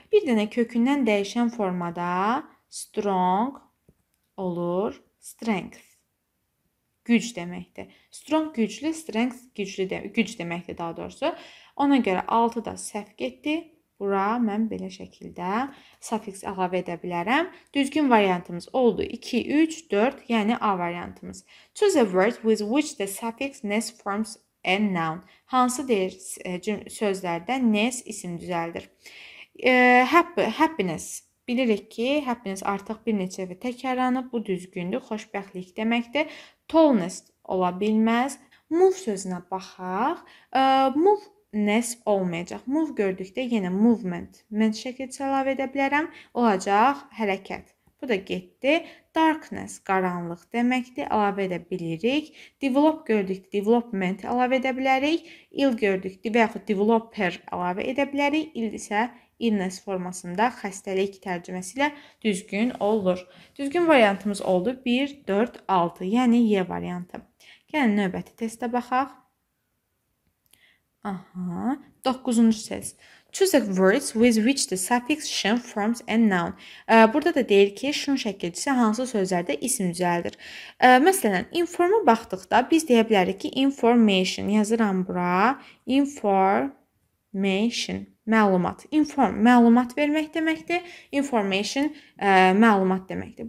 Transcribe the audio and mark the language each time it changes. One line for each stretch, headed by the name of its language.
Azerbaijani: Bir dənə kökündən dəyişən formada strong olur strength. Güc deməkdir. Strong güclü, strength güclü güc deməkdir daha doğrusu. Ona görə 6 da səhv getdi. Bura mən belə şəkildə suffix əlavə edə bilərəm. Düzgün variantımız oldu. 2, 3, 4, yəni A variantımız.
English: Choose a word with which the suffix -ness forms a noun.
Azerbaijani: Hansı deyir sözlərdən -ness isim düzəldir? Happiness. Bilirik ki, happiness artıq bir neçə və təkrarlanıb. Bu düzgündür, xoşbəxtlik deməkdir. Tallness ola bilməz. Move sözünə baxaq. Move-ness olmayacaq. Move gördükdə yenə movement. Mən şəkildə əlavə edə bilərəm. Olacaq hərəkət. Bu da getdi. Darkness, qaranlıq deməkdir. Əlavə edə bilirik. Develop gördükdə development əlavə edə bilərik. Ill gördükdə və yaxud developer əlavə edə bilərik. Ill isə illness formasında xəstəlik tərcüməsi ilə düzgün olur. Düzgün variantımız oldu 1, 4, 6, yəni Y variantı. Gəlin növbəti testə baxaq. Aha, 9-cu test.
English: Choose a word with which the suffix shun forms a noun.
Azerbaijani: Burada da deyir ki, shun şəkilçisi hansı sözlərdə isim düzəldir. Məsələn, inform-a baxdıqda biz deyə bilərik ki, information yazıram bura. Information. Məlumat. Inform, məlumat vermək deməkdir. Information, məlumat deməkdir.